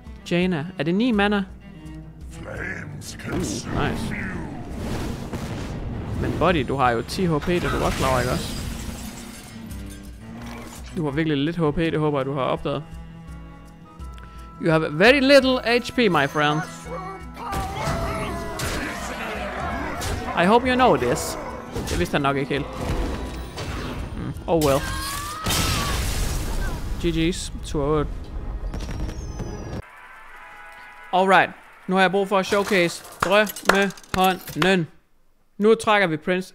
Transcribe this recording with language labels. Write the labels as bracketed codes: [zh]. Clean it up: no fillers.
[da] Jaina, er det 9 mana? Nice. Men buddy, du har jo 10 HP, det du godt klarer, ikke også? Du har virkelig lidt HP, det håber jeg, du har opdaget. [en] You have very little HP, my friend. I hope you know this. [da] Det vidste han nok ikke helt. [en] Oh well. GG's. 2-8. Alright. [da] Nu har jeg brug for at showcase drømmehånden. Nu trækker vi Prince.